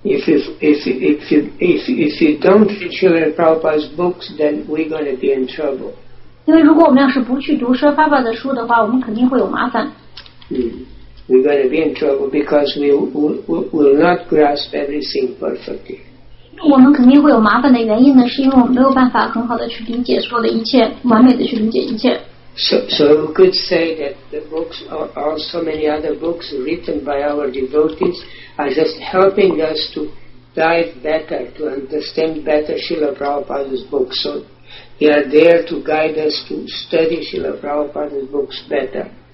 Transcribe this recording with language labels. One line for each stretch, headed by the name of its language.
English: If you don't read Srila Prabhupada's books, then we're going to be in trouble.
Chinese: 因为如果我们要是不去读 Srila Prabhupada 的书的话，我们肯定会有麻烦。
English: We're going to be in trouble because we will not grasp everything perfectly.
Chinese: 我们肯定会有麻烦的原因呢，是因为我们没有办法很好的去理解所有的一切，完美的去理解一切。
English: So we could say that the books or also many other books written by our devotees are just helping us to dive better, to understand better Srila Prabhupada's books. So they are there to guide us to study Srila Prabhupada's books better.